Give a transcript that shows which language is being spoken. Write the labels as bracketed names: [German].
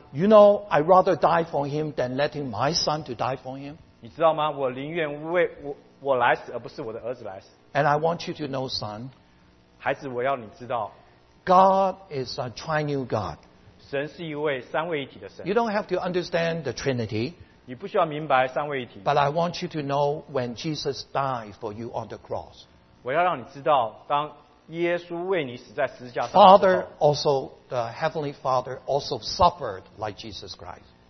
[English] You know, I'd rather die for him than letting my son to die for him. [Chinese] 你知道吗？我宁愿为我来死，而不是我的儿子来死。 [English] And I want you to know, son, [Chinese] 孩子，我要你知道， [English] God is a triune God. [Chinese] 神是一位三位一体的神。 [English] You don't have to understand the Trinity. [Chinese] 你不需要明白三位一体。 [English] But I want you to know when Jesus died for you on the cross. [Chinese] 我要让你知道，当耶稣为你死在十字架上。 [English] Father also, the Heavenly Father also suffered like Jesus Christ.